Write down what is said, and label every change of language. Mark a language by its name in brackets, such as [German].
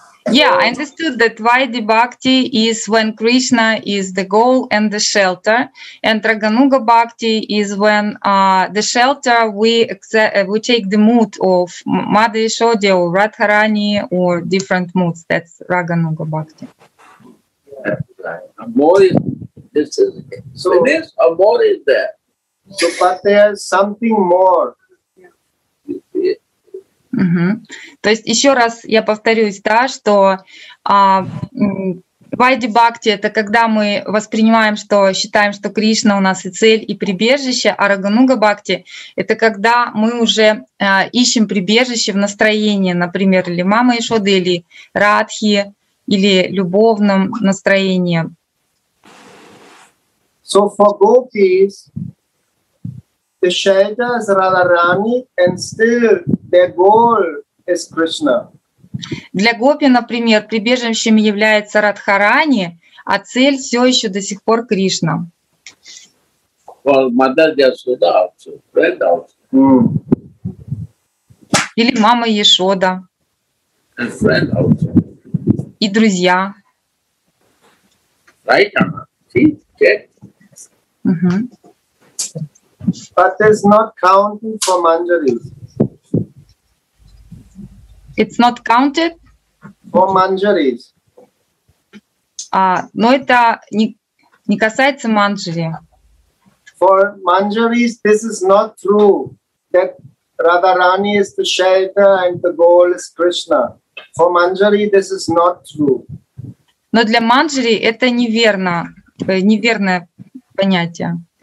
[English] Yeah, I understood that Vaidhi Bhakti is when Krishna is the goal and the shelter, and Raganuga Bhakti is when the shelter we take the mood of Mother Yashoda or Radharani or different moods. That's Raganuga Bhakti. Yeah, more is there, but there's something more. [Russian] То есть еще раз я повторюсь, да, что Vaidhi Bhakti — это когда мы воспринимаем, что считаем, что Кришна у нас и цель, и прибежище, а Рагануга Бхакти — это когда мы уже ищем прибежище в настроении, например, или мама Яшоды, или Радхи, или любовном настроении. [English] So for gopis, the shelter is Radharani and still their goal is Krishna. [Russian] Для гопи, например, прибежищем является Радхарани, а цель все еще до сих пор Кришна. [English] Well, Mother Yashoda also, friend also. [Russian] Или мама Яшода. [English] And friend also. [Russian] И друзья. [English] Right, Anna. See, check. But there's not counting for manjaris. It's not counted? For manjaris. [Russian] Но это не касается манджари. [English] For manjaris, this is not true that Radharani is the shelter and the goal is Krishna. For manjari, this is not true. [Russian] Но для манджари это неверно, неверное понятие.